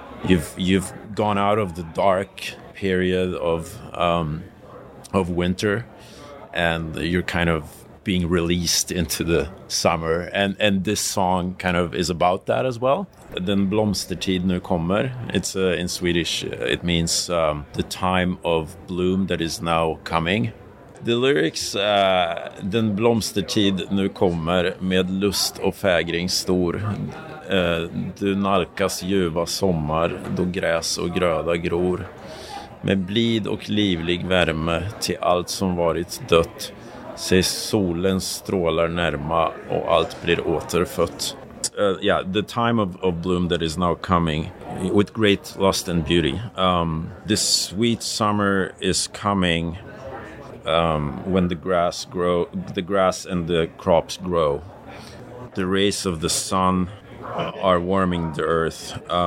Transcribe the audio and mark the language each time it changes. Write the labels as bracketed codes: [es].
[en] You've gone out of the dark period of winter, and you're kind of being released into the summer, and this song kind of is about that as well. [sv] Den blomstertid nu kommer, [en] it's in Swedish, it means the time of bloom that is now coming. The lyrics, [sv] den blomstertid nu kommer med lust och fägring stor, du nalkas ljuva sommar då gräs och gröda gror. Med blid och livlig värme till allt som varit dött. Se solens strålar närma och allt blir återfött. [en] Yeah, the time of bloom that is now coming with great lust and beauty. This sweet summer is coming when the grass and the crops grow. The rays of the sun are warming the earth.